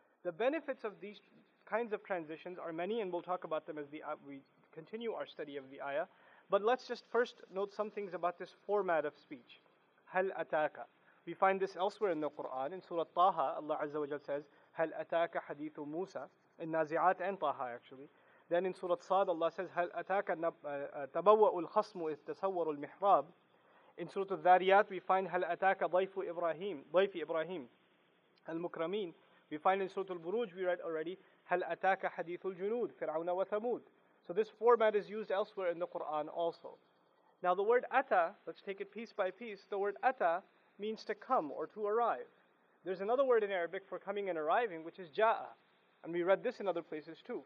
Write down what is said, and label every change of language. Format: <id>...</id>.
<en>The benefits of these kinds of transitions are many, and we'll talk about them as we continue our study of the ayah. But let's just first note some things about this format of speech.</en> <ar>هَلْ أَتَاكَ.</ar> <en>We find this elsewhere in the Qur'an. In Surah Taha, Allah Azza wa Jal says,</en> <ar>هَلْ أَتَاكَ حَدِيثُ مُوسَى.</ar> <en>In Nazi'at and Taha actually. Then in Surah Sad, Allah says,</en> <ar>هَلْ أَتَاكَ تَبَوَّأُ الْخَصْمُ إِذْ تَسَوَّرُ الْمِحْرَابِ.</ar> <en>In Surah Al-Dhariyat, we find,</en> <ar>هَلْ أَتَاكَ ضَيْفُ إِبْرَاهِيمُ ضَيْفِ إِبْرَاهِيمُ الْمُكْرَمِينَ.</ar> <en>We find in Surah Al-Buruj, we read already,</en> <ar>هَلْ أَتَاكَ حَدِيثُ الْجُنُودِ فِرْعَوْنَ وَثَمُودِ.</ar> <en>So this format is used elsewhere in the Qur'an also. Now the word أَتَى, let's take it piece by piece, the word أَتَى means to come or to arrive. There's another word in Arabic for coming and arriving, which is جَاءَ. And we read this in other places too.</en>